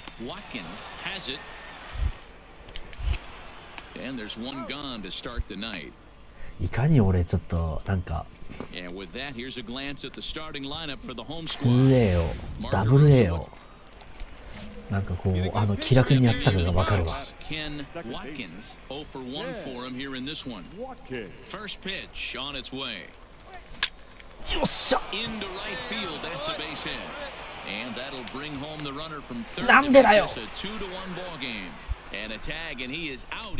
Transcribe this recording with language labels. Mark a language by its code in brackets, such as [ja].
[en] Watkins has it. And there's one gone to start the night. [ja] いかに俺ちょっとなんか。 [en] And with that, here's a glance at the starting lineup for the home squad. 2A [ja] を、 [en] Double A [ja] を。なんかこう、あの気楽にやってたのがわかるわ。 [en] Ken Watkins, 0 for 1 for him here in this one. First pitch on its way. Into right field, that's a base hit. And that'll bring home the runner from third. [ja] なんでだよ。 [en] A 2-1 ball game. And a tag, and he is out